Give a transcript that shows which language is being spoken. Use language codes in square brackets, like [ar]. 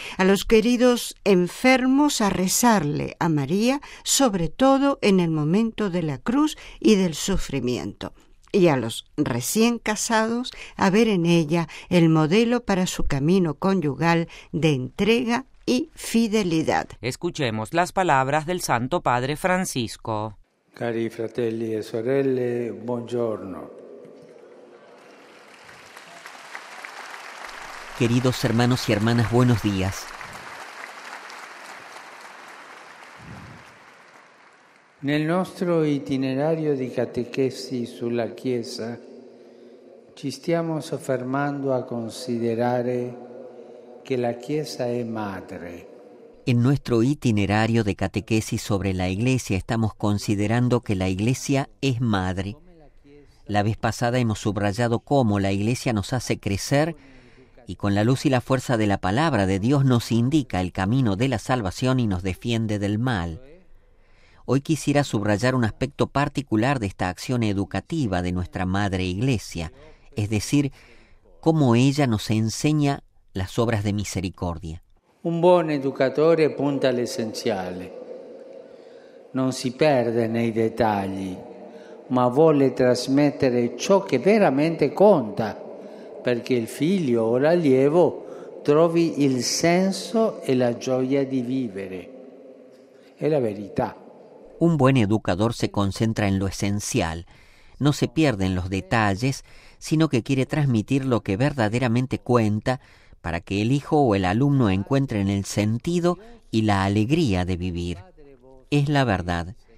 [es] a los queridos enfermos a rezarle a María, sobre todo en el momento de la cruz y del sufrimiento, y a los recién casados a ver en ella el modelo para su camino conyugal de entrega y fidelidad. Escuchemos las palabras del Santo Padre Francisco. [it] Cari fratelli e sorelle, buongiorno. [es] Queridos hermanos y hermanas, buenos días. [it] Nel nostro itinerario di catechesi sulla Chiesa ci stiamo soffermando a considerare che la Chiesa è madre. [es] En nuestro itinerario de catequesis sobre la Iglesia estamos considerando que la Iglesia es madre. La vez pasada hemos subrayado cómo la Iglesia nos hace crecer y con la luz y la fuerza de la palabra de Dios nos indica el camino de la salvación y nos defiende del mal. Hoy quisiera subrayar un aspecto particular de esta acción educativa de nuestra Madre Iglesia, es decir, cómo ella nos enseña las obras de misericordia. Un buen educador [it] punta al [es] esencial. No se pierde en los detalles, [it] ma vuole trasmettere ciò che veramente conta, perché il figlio o l'allievo trovi il senso e la gioia di vivere. È la verità. [es] Un buen educador se concentra en lo esencial, no se pierde en los detalles, sino que quiere transmitir lo que verdaderamente cuenta para que el hijo o el alumno encuentre en el sentido y la alegría de vivir. Es la verdad.